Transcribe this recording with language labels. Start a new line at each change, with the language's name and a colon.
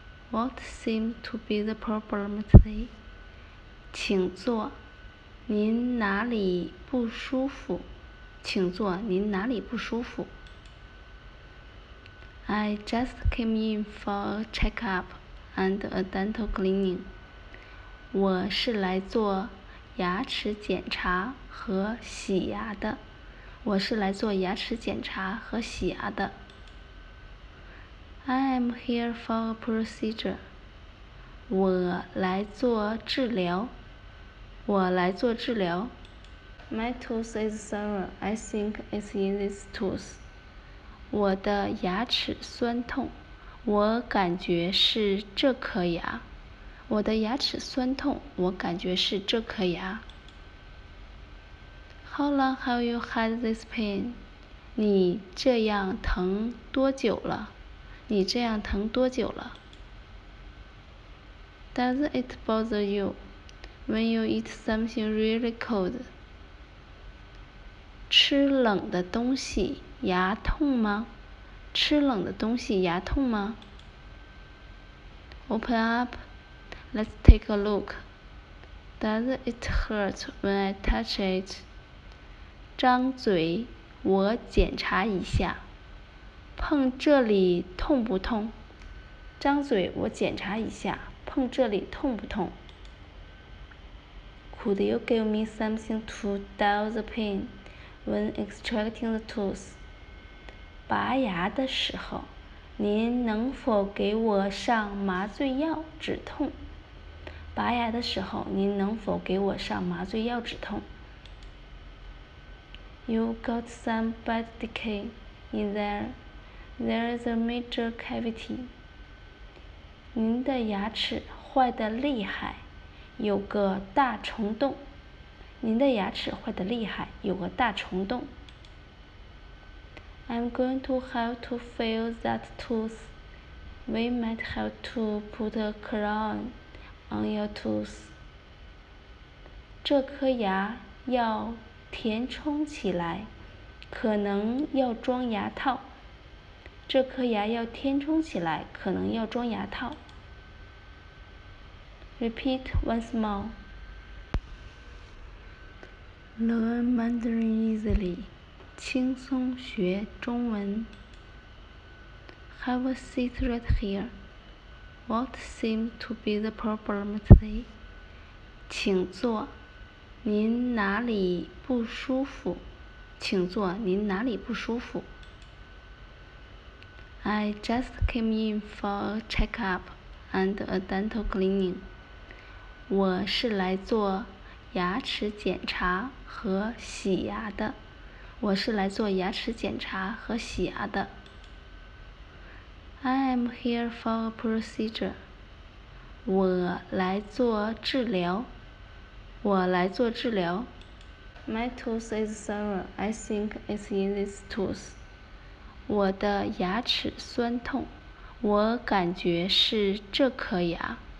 English: What seemed to be the problem today?
Chinese: 请坐。您哪里不舒服？请坐。您哪里不舒服？
English: I just came in for a checkup and a dental cleaning.
Chinese: 我是来做牙齿检查和洗牙的。我是来做牙齿检查和洗牙的。
English: I am here for a procedure.
Chinese: 我来做治疗。我来做治疗。
English: My tooth is sour. I think it's in this tooth.
Chinese: 我的牙齿酸痛。我感觉是这颗牙。我的牙齿酸痛，我感觉是这颗牙。
English: How long have you had this pain?
Chinese: 你这样疼多久了？你这样疼多久了？
English: Does it bother you when you eat something really cold?
Chinese: 吃冷的东西牙痛吗？吃冷的东西牙痛吗？
English: Open up. Let's take a look. Does it hurt when I touch it?
Chinese: 张嘴，我检查一下。碰这里痛不痛？张嘴，我检查一下。碰这里痛不痛？
English: Could you give me something to dull the pain when extracting the tooth?
Chinese: 拔牙的时候，您能否给我上麻醉药止痛？拔牙的时候，您能否给我上麻醉药止痛？
English: You got some bad decay in there. There is a major cavity.
Chinese: 您的牙齿坏得厉害，有个大虫洞。您的牙齿坏得厉害，有个大虫洞。
English: I'm going to have to fill that tooth. We might have to put a crown. On your tooth.
Chinese: 这颗牙要填充起来，可能要装牙套。这颗牙要填充起来，可能要装牙套。
English: Repeat once more. Learn Mandarin easily.
Chinese: 轻松学中文。
English: Have a seat right here. What seemed to be the problem today?
Chinese: 请坐，您哪里不舒服？请坐，您哪里不舒服？
English: I just came in for a checkup and a dental cleaning.
Chinese: 我是来做牙齿检查和洗牙的。我是来做牙齿检查和洗牙的。
English: I am here for a procedure.
Chinese: 我来做治疗。我来做治疗。
English: My tooth is sour. I think it's in this tooth.
Chinese: 我的牙齿酸痛。我感觉是这颗牙。